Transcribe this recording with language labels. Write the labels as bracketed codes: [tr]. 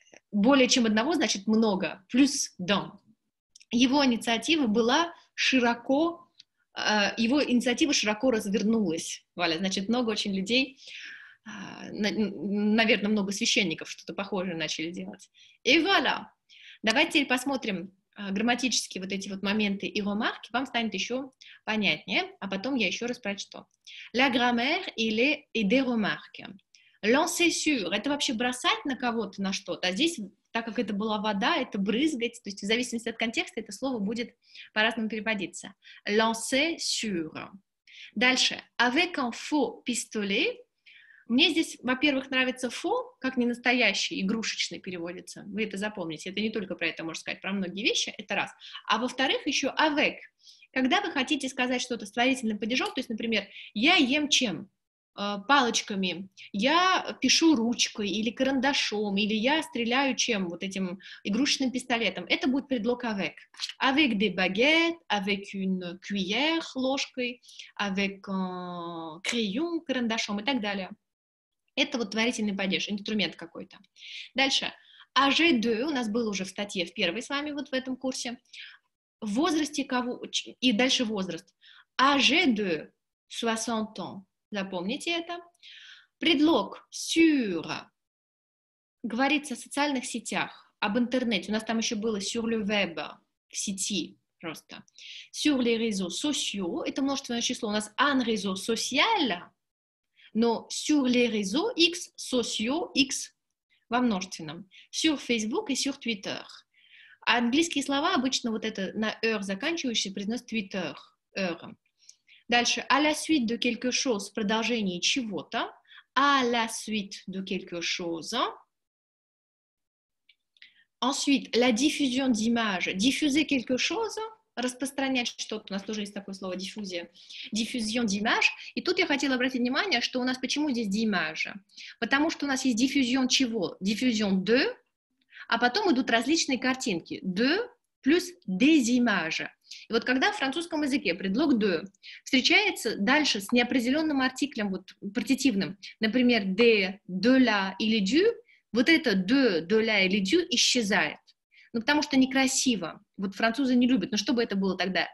[ru] Более чем одного, значит, много, плюс дом. Его инициатива была широко развернулась, Валя, значит, много очень людей, наверное, много священников что-то похожее начали делать. И вуаля! Давайте теперь посмотрим грамматические вот эти вот моменты и ремарки, вам станет еще понятнее, а потом я еще раз прочту. [fr] La grammaire et des remarques. Lancer sur. [ru] Это вообще бросать на кого-то, на что-то, а здесь, так как это была вода, это брызгать, то есть в зависимости от контекста это слово будет по-разному переводиться. [fr] Lancer sur. [ru] Дальше. [fr] Avec un faux pistolet. [ru] Мне здесь, во-первых, нравится faux, как не настоящий, игрушечный переводится. Вы это запомните. Это не только про это можно сказать, про многие вещи. Это раз. А во-вторых, еще avec. Когда вы хотите сказать что-то с творительным падежом, то есть, например, я ем чем? палочками. Я пишу ручкой или карандашом, или я стреляю чем? Вот этим игрушечным пистолетом. Это будет предлог avec. [fr] Avec des baguettes, avec une cuillère, [ru] ложкой, [fr] avec crayon, [ru] карандашом и так далее. Это вот творительный падеж, инструмент какой-то. Дальше. Age de, у нас было уже в статье в первой с вами вот в этом курсе. В возрасте кого... И дальше возраст. [fr] Age de 60 ans. [ru] Запомните это. Предлог sur. Говорится о социальных сетях, об интернете. У нас там еще было [fr] sur le web, [ru] в сети просто. [fr] Sur les réseaux sociaux. [ru] Это множественное число. У нас [fr] un réseau social, [ru] но [fr] sur les réseaux x, sociaux x [ru] во множественном. [fr] Sur Facebook и sur Twitter. [ru] А английские слова обычно вот это на «р» заканчивающее произносят Twitter. «Р». Дальше. [fr] «À la suite de quelque chose» [ru] в продолжении чего-то. [fr] «À la suite de quelque chose». Ensuite, «la diffusion d'image». «Diffuser quelque chose». [ru] «Распространять что-то». У нас тоже есть такое слово «diffusion». [fr] «Diffusion d'image». [ru] И тут я хотела обратить внимание, что у нас почему здесь «d'image». Потому что у нас есть «diffusion» чего? [fr] «Diffusion de». [ru] А потом идут различные картинки. [fr] «De» [ru] плюс [fr] «des images». [ru] И вот когда в французском языке предлог «de» встречается дальше с неопределенным артиклем, вот партитивным, например, «de», «de la» или «du», вот это «de», «de la» или «du» исчезает. Ну, потому что некрасиво. Вот французы не любят. Но что бы это было тогда?